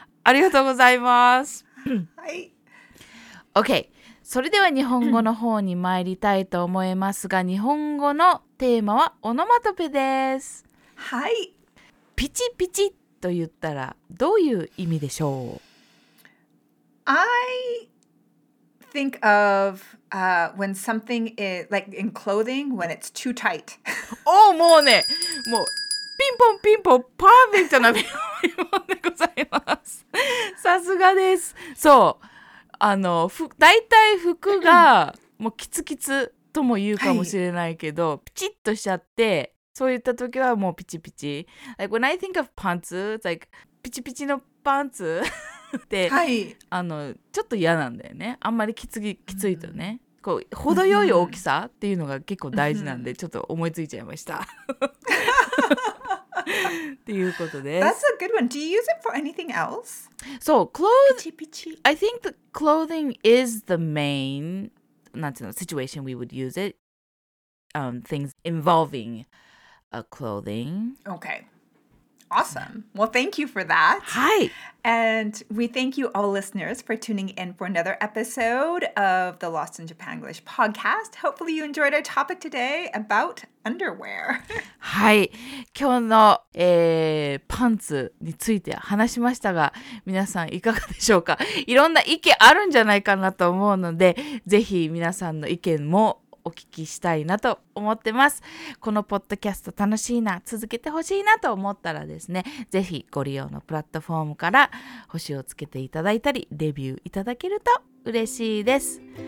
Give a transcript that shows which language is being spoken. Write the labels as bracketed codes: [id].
[ja] ありがとうございます。はい。 OK。それでは日本語の方に参りたいと思いますが、日本語のテーマはオノマトペです。はい、ピチピチと言ったらどういう意味でしょう。 [en] I think of when something is like in clothing when it's too tight. [ja] Oh, もうね、もうピンポンピンポンパーフェクトなピンポンでございます。さすがです。そう、あの、だいたい服がもうキツキツとも言うかもしれないけど、はい、ピチッとしちゃって。そういった時はもうピチピチ。 [en] Like when I think of pants, it's like [ja] ピチピチのパンツって、はい、あのちょっと嫌なんだよね。あんまりきついとね、こう程よい大きさっていうのが結構大事なんで、ちょっと思いついちゃいました。っていうことです。 [en] That's a good one. Do you use it for anything else? So clothes. [ja] ピチピチ。 [en] I think the clothing is the main, [ja] なんていうの、 [en] situation we would use it. Things involving.Clothing. Okay. Awesome. Well, thank you for that. Hi. And we thank you all listeners for tuning in for another episode of the Lost in Japan English podcast. Hopefully you enjoyed our topic today about underwear. [ja] はい。今日の、パンツについて話しましたが、皆さんいかがでしょうか？いろんな意見あるんじゃないかなと思うので、ぜひ皆さんの意見もお聞きしたいなと思ってます。このポッドキャスト楽しいな、続けてほしいなと思ったらですね、ぜひご利用のプラットフォームから星をつけていただいたり、レビューいただけると嬉しいです。